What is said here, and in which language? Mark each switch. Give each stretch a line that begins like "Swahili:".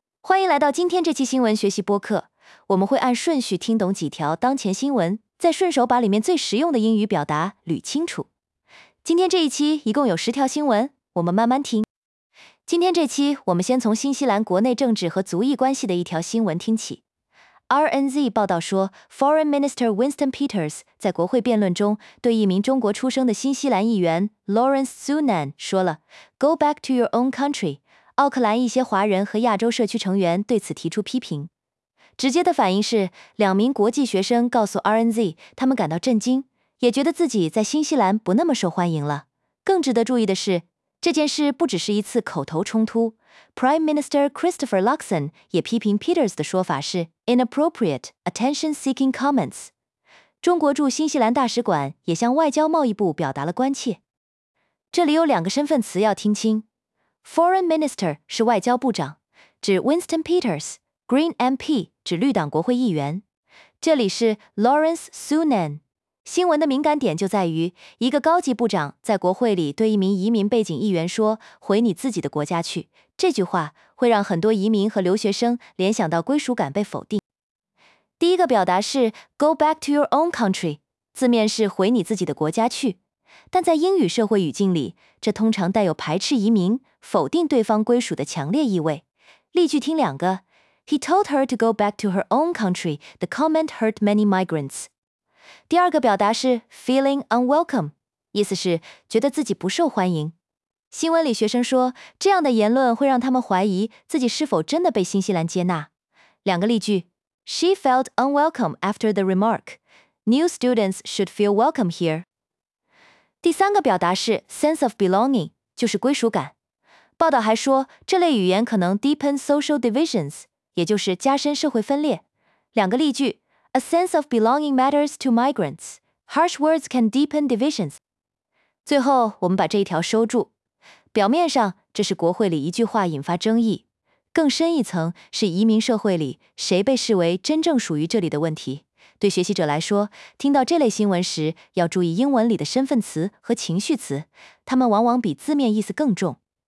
Chinese: 欢迎来到今天这期新闻学习播客，我们会按顺序听懂几条当前新闻，再顺手把里面最实用的英语表达捋清楚。今天这一期一共有十条新闻，我们慢慢听。今天这期我们先从新西兰国内政治和族裔关系的一条新闻听起。 RNZ 报道说， Foreign Minister Winston Peters 在国会辩论中对一名中国出生的新西兰议员 Lawrence Sunan 说了
English: Go back to your own country。
Chinese: 奥克兰一些华人和亚洲社区成员对此提出批评，直接的反应是两名国际学生告诉 RNZ 他们感到震惊，也觉得自己在新西兰不那么受欢迎了。更值得注意的是，这件事不只是一次口头冲突， Prime Minister Christopher Luxon 也批评 Peters 的说法是
English: inappropriate attention seeking comments。
Chinese: 中国驻新西兰大使馆也向外交贸易部表达了关切。这里有两个身份词要听清，Foreign Minister 是外交部长，指 Winston Peters, Green MP, 指绿党国会议员。这里是 Lawrence Sunan。新闻的敏感点就在于，一个高级部长在国会里对一名移民背景议员说，回你自己的国家去，这句话会让很多移民和留学生联想到归属感被否定。第一个表达是
English: Go back to your own country,
Chinese: 字面是回你自己的国家去。但在英语社会语境里，这通常带有排斥移民、否定对方归属的强烈意味。例句听两个。
English: He told her to go back to her own country. The comment hurt many migrants.
Chinese: 第二个表达是 feeling unwelcome, 意思是觉得自己不受欢迎。新闻里学生说，这样的言论会让他们怀疑自己是否真的被新西兰接纳。两个例句。
English: She felt unwelcome after the remark. New students should feel welcome here.
Chinese: 第三个表达是 sense of belonging, 就是归属感。报道还说，这类语言可能
English: deepen social divisions,
Chinese: 也就是加深社会分裂。两个例句 ,
English: A sense of belonging matters to migrants. Harsh words can deepen divisions.
Chinese: 最后，我们把这一条收住。表面上，这是国会里一句话引发争议。更深一层，是移民社会里谁被视为真正属于这里的问题。对学习者来说，听到这类新闻时要注意英文里的身份词和情绪词，它们往往比字面意思更重。